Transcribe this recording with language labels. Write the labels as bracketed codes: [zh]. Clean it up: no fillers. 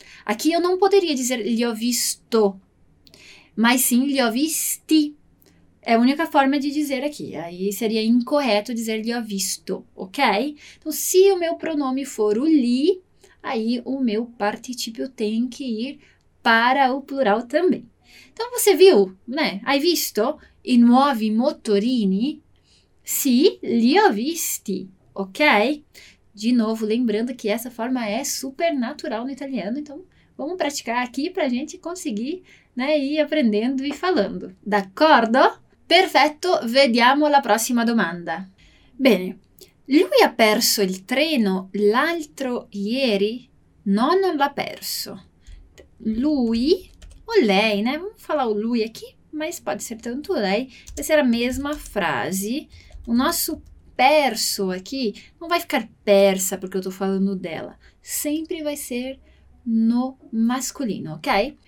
[pt] Aqui eu não poderia dizer [it] li ho visto, [pt] mas sim [it] li ho visti. [pt] É a única forma de dizer aqui. Aí seria incorreto dizer [it] li ho visto, [pt] ok? Então, se o meu pronome for o li, aí o meu participio tem que ir para o plural também. Então, você viu, né? [it] Hai visto i nuovi motorini? Sì, li ho visti. Ok? [pt] De novo, lembrando que essa forma é super natural no italiano. Então, vamos praticar aqui para a gente conseguir, né, ir aprendendo e falando. [it] D'accordo? Perfetto, vediamo la prossima domanda. Bene. Lui ha perso il treno l'altro ieri? No, non l'ha perso. Lui o lei, né? [pt] Vamos falar o lui aqui, mas pode ser tanto lei. Vai ser a mesma frase. O nosso perso aqui não vai ficar persa porque eu tô falando dela. Sempre vai ser no masculino, ok?